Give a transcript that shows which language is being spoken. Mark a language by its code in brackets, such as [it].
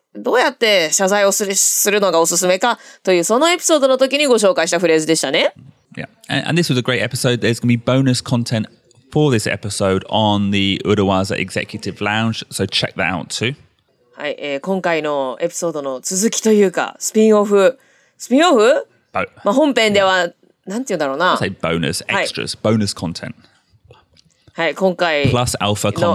[ja] どうやって謝罪をするのがおすすめかという、そのエピソードの時にご紹介したフレーズでしたね。 [en] Yeah, and this was a great episode. There's going to be bonus content for this episode on the Urawaza Executive Lounge, so check that out too. [ja] はい、今回のエピソードの続きというか、スピンオフ。スピンオフ? まあ本編では、なんて言うんだろうな。 [en] I'll say bonus, extras, bonus content. [ja] はい、今回のエピソード。